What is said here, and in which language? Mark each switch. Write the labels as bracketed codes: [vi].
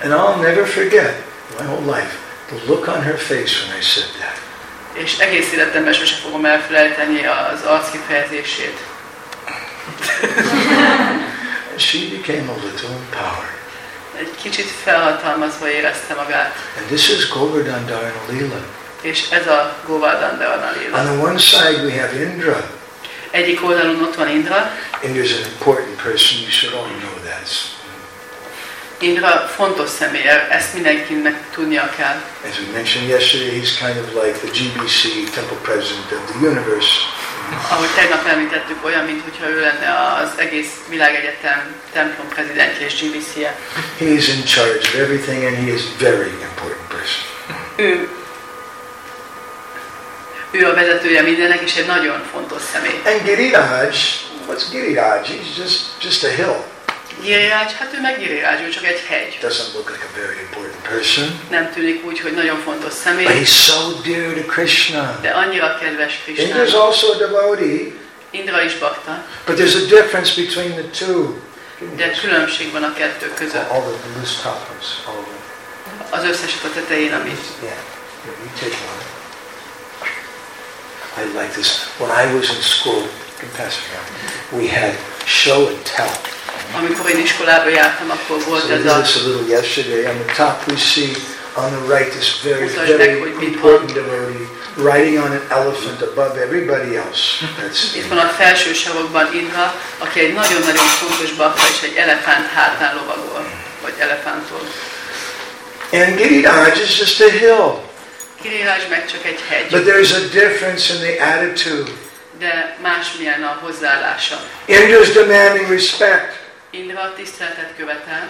[en] And I'll never forget my whole life the look on her face when I said that. [hu] És egész életemben sose fogom elfelejteni az arc kifejezését. [en] She became a little empowered. [hu] Egy kicsit felhatalmazva érezte magát. [en] And this is Govardhan Dharana Leela. [hu] És ez a Govardhan Dharana Leela. [en] On the one side we have Indra. [hu] Egyik oldalon ott van Indra. [en] Indra's an important person, you should all know that. [hu] Indra fontos személy, ezt mindenkinek tudnia kell. [en] As we mentioned yesterday, he's kind of like the GBC temple president of the universe. [hu] Ahogy tegnap említettük, olyan, mintha ő lenne az egész világegyetem templom prezidentje és GBC-je. [en] He is in charge of everything and he is very important person. [hu] Ő a vezetője mindennek, és egy nagyon fontos személy. [en] And Giriraj, what's Giriraj? He's just a hill. [hu] Giriraj, hát ő meg Giriraj, ő csak egy hegy. [en] Doesn't look like a very important person. [hu] Nem tűnik úgy, hogy nagyon fontos személy. [en] But he's so dear to Krishna. [hu] De annyira kedves Krishna. [en] Indra is also a devotee. [hu] Indra is bhakta. [en] But there's a difference between the two. [hu] De különbség van a kettő között. [en] All the loose toppers, all of them. [hu] Az összeset a tetején, ami. [en] Yeah, you take one. I like this. When I was in school, we had show and tell. [hu] Amikor én iskolába jártam, akkor volt ez a. [en] So this a little yesterday. On the top, we see on the right this very important devotee riding on an elephant above everybody else. [hu] Itt van a felső sarokban Indra, aki egy nagyon-nagyon fontos bhakta és egy elefánt hátán lovagol, vagy elefántol. [en] And Giriraj is just a hill. [hu] Giriraj meg csak egy hegy. [en] But there is a difference in the attitude. [hu] De másmilyen a hozzáállása. [en] Indra is demanding respect. [hu] Indra tiszteletet követel.